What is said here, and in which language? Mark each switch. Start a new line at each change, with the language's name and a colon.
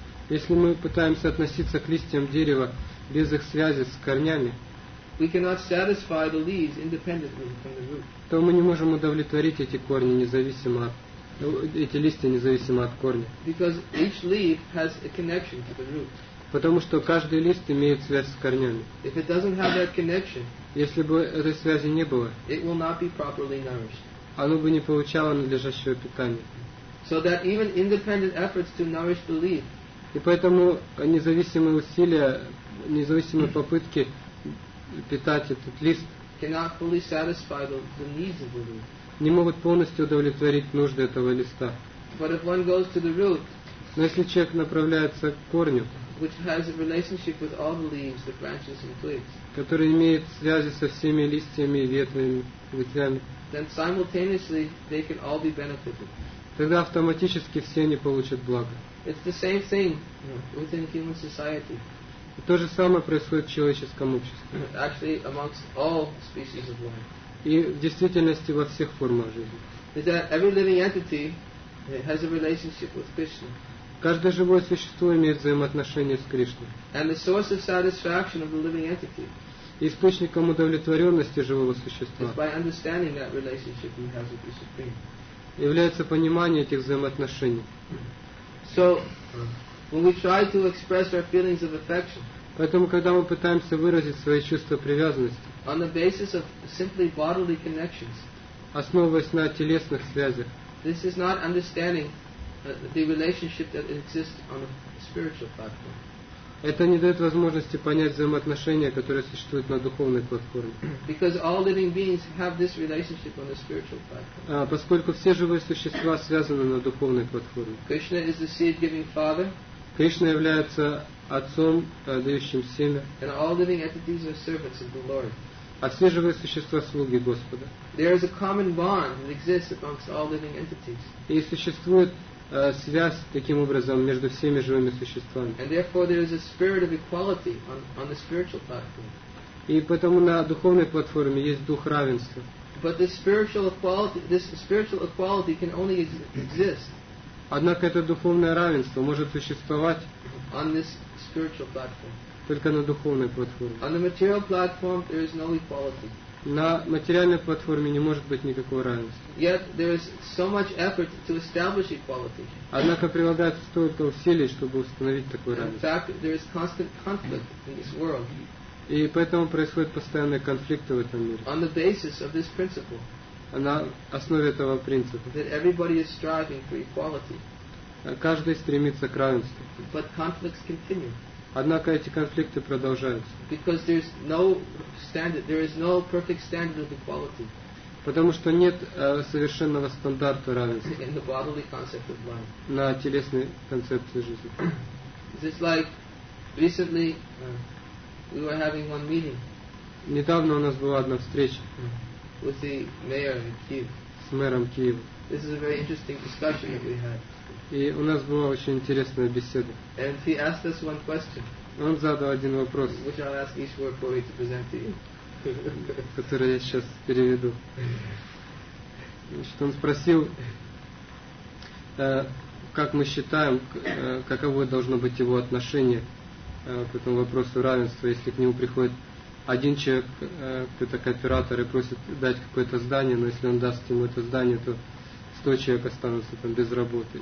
Russian: Если мы пытаемся относиться к листьям дерева без их связи с корнями,
English: we cannot satisfy the leaves independently from the root.
Russian: То мы не можем удовлетворить эти корни независимо от эти листья независимо от корня.
English: Because each leaf has a connection to the root.
Russian: Потому что каждый лист имеет связь с корнями.
English: If it doesn't have that connection,
Russian: если бы этой связи не было,
English: it will not be properly nourished.
Russian: Оно бы не получало надлежащего питания.
English: So that even independent efforts to nourish the leaf.
Russian: И поэтому независимые усилия, независимые попытки питать этот лист
English: cannot fully satisfy the needs of the leaf.
Russian: Не могут полностью удовлетворить нужды этого листа.
English: But if one goes to the root,
Russian: но если человек направляется к корню,
English: which has a relationship with all the leaves, the branches and twigs,
Russian: который имеет связи со всеми листьями, ветвями, ветвями,
English: then simultaneously they can all be benefited.
Russian: Тогда автоматически все они получат благо.
English: It's the same thing within human society.
Russian: И то же самое происходит в человеческом обществе.
English: Actually, amongst all species of life.
Russian: И в действительности во всех формах жизни.
English: Is that every living entity has a relationship with Krishna.
Russian: Каждое живое существо имеет взаимоотношение с Кришной.
English: And the source of satisfaction of the living entity.
Russian: И источником удовлетворенности живого существа.
English: Is by understanding that relationship he has with the Supreme.
Russian: Является понимание этих взаимоотношений.
English: So, when we try to express our feelings of affection.
Russian: Поэтому, когда мы пытаемся выразить свои чувства привязанности,
English: on the basis of simply bodily connections,
Russian: основываясь на телесных связях,
English: this is not understanding the relationship that exists on a spiritual platform.
Russian: Это не дает возможности понять взаимоотношения, которые существуют на духовной платформе.
English: Because all living beings have this relationship on the spiritual platform.
Russian: Поскольку все живые существа связаны на духовной платформе.
English: Krishna is the seed-giving father.
Russian: Кришна является отцом, дающим семя.
English: And all living entities are servants of the Lord.
Russian: А все живые существа слуги Господа.
English: There is a common bond that exists amongst all living entities.
Russian: И существует связь таким образом между всеми живыми существами.
English: And therefore there is a spirit of equality on the spiritual platform.
Russian: И поэтому на духовной платформе есть дух равенства.
English: But this spiritual equality can only exist.
Russian: Однако это духовное равенство может существовать
English: on this spiritual platform.
Russian: Только на духовной платформе.
English: On the material platform there is no equality.
Russian: На материальной платформе не может быть никакого равенства.
English: Yet there is so much effort to establish equality.
Russian: Однако прилагается столько усилий, чтобы установить такое равенство.
English: In fact, there is constant conflict in this world.
Russian: И поэтому происходят постоянные конфликты в этом мире.
English: On the basis of this principle.
Russian: На основе этого принципа.
English: That everybody is striving for equality.
Russian: Каждый стремится к равенству.
English: But conflicts continue.
Russian: Однако эти конфликты продолжаются.
English: Because there is no standard, there is no perfect standard of equality.
Russian: Потому что нет совершенного стандарта равенства.
English: In the bodily concept of life.
Russian: На телесной концепции жизни.
English: It's like recently we were having one meeting.
Russian: Недавно у нас была одна встреча.
English: with the mayor of Kiev.
Russian: С мэром Киева.
English: This is a very interesting discussion that we had.
Russian: И у нас была очень интересная беседа.
English: And he asked us one question.
Russian: Он задал один вопрос.
English: Which I'll ask Ishwar Puri to present to you.
Russian: Который я сейчас переведу. Значит, он спросил, как мы считаем, каково должно быть его отношение к этому вопросу равенства, если к нему приходит один человек, какой-то кооператор, и просит дать какое-то здание, но если он даст ему это здание, то 100 человек останутся там без работы.